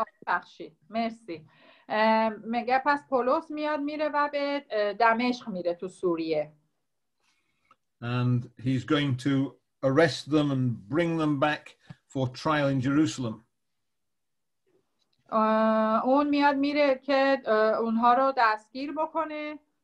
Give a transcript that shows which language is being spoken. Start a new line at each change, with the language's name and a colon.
Persian: بخشی مرسی میگه پس پولوس میاد میره و به دمشق میره تو سوریه
English: and he's going to arrest them and bring them back for trial in Jerusalem.
Persian: اون میاد میره که اونها رو دستگیر بکنه.